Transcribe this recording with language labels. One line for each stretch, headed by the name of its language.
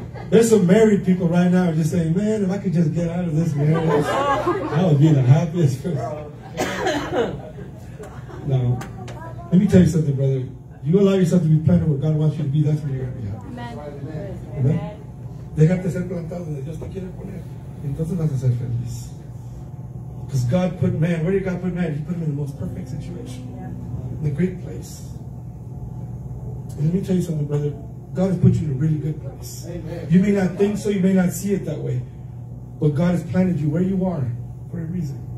English: There's some married people right now just saying, man, if I could just get out of this marriage, I would be the happiest person. No. Let me tell you something, brother. You allow yourself to be planted where God wants you to be, that's where you're going to be happy. Amen.
Spanish: Dejarte ser plantado donde Dios te quiere poner. Entonces vas a ser feliz.
English: Because God put man, where did God put man? He put him in the most perfect situation. In the great place. And let me tell you something, brother. God has put you in a really good place. Amen. You may not think so, you may not see it that way, but God has planted you where you are for a reason.